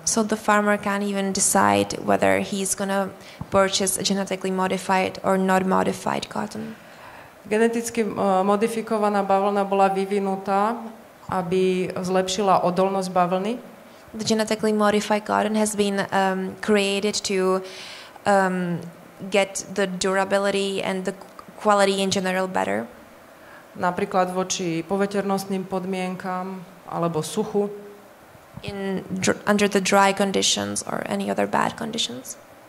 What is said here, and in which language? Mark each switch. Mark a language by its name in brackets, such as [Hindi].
[English] So the farmer can't even decide whether he's gonna purchase a genetically modified or not modified cotton. [Slovak] Geneticky modifikovaná bavlna bola vyvinutá, aby zlepšila odolnosť bavlny. [English] The genetically modified cotton has been created to get the durability and the quality in general better. [Slovak] Napríklad voči poveternostným podmienkam alebo suchu. [English] In under the dry conditions or any other bad conditions.